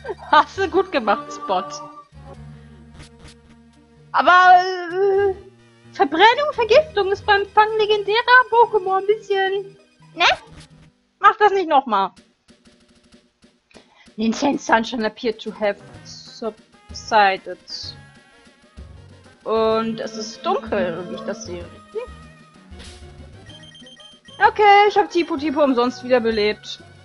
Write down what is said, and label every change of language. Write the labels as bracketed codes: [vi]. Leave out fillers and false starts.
[de] Hast du gut gemacht, Spot. Aber Verbrennung, Vergiftung ist beim Fang legendärer Pokémon ein bisschen... Ne? Mach das nicht nochmal. [en] Nintendo Sunshine appeared to have subsided. [de] Und es ist dunkel, wie ich das sehe. Okay, ich habe Tipo-Tipo umsonst wiederbelebt.